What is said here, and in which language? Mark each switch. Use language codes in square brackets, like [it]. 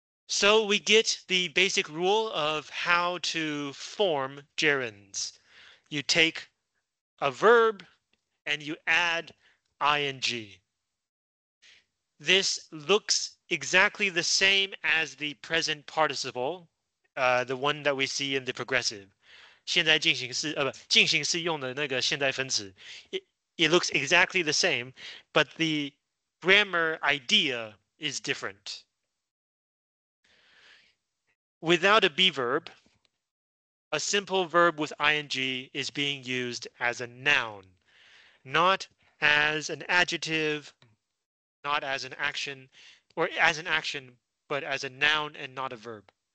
[en] So we get the basic rule of how to form gerunds. You take a verb and you add ing. This looks exactly the same as the present participle, the one that we see in the progressive. [zh] 现在进行式, 进行式用的那个现在分词. [en] It looks exactly the same, but the grammar idea is different. Without a be verb, a simple verb with ing is being used as a noun, not as an adjective, not as an action, or as an action, but as a noun and not a verb.